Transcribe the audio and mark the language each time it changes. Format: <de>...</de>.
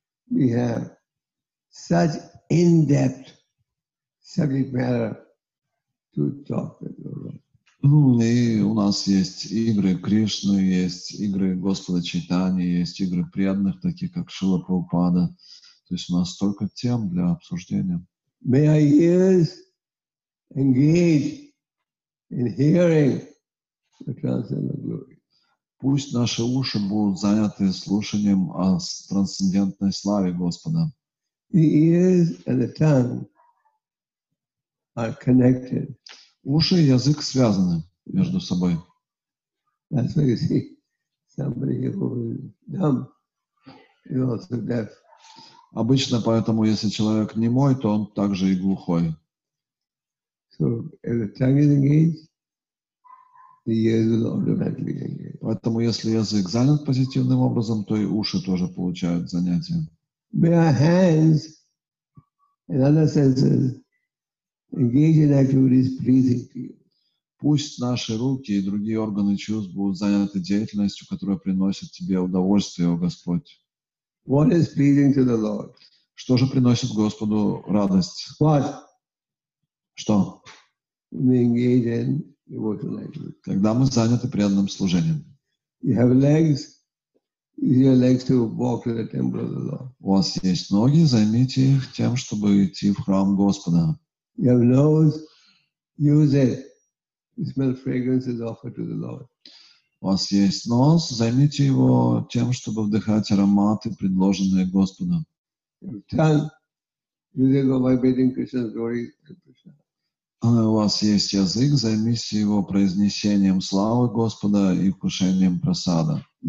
<en>We have such in-depth subject matter to talk to the Lord.</en> <ru>Ну, и у нас есть игры Кришны, есть игры Господа Чайтани, есть игры преданных, такие как Шрила Прабхупада. То есть у нас столько тем для обсуждения.</ru> <en>May our ears engage in hearing the transcendental glory.</en> <ru>Пусть наши уши будут заняты слушанием о трансцендентной славе Господа.</ru> <en>The ears and the tongue are connected.</en> <ru>Уши и язык связаны между собой.</ru> <en>That's why you see somebody who is dumb is also deaf.</en> <ru>Обычно поэтому, если человек немой, то он также и глухой.</ru> <en>So, if the tongue is engaged, the ears will automatically engage.</en> <ru>Поэтому, если язык занят позитивным образом, то и уши тоже получают занятия.</ru> <en>May our hands and other senses engage in activities pleasing to you.</en> <ru>Пусть наши руки и другие органы чувств будут заняты деятельностью, которая приносит тебе удовольствие, о Господь.</ru> <en>What is pleasing to the Lord?</en> <ru>Что же приносит Господу радость?</ru> <en>What?</en> <ru>Что?</ru> <en>We engage in devotional activity.</en> <ru>Когда мы заняты преданным служением.</ru> <en>You have legs. Use your legs to walk to the temple of the Lord.</en> <ru>У вас есть ноги, займите их тем, чтобы идти в храм Господа.</ru> <en>You have nose. Use it to smell fragrances offered to the Lord.</en> <ru>У вас есть нос, займите его тем, чтобы вдыхать ароматы, предложенные Господом. У вас есть язык, займите его произнесением славы Господа и вкушением просада.</ru>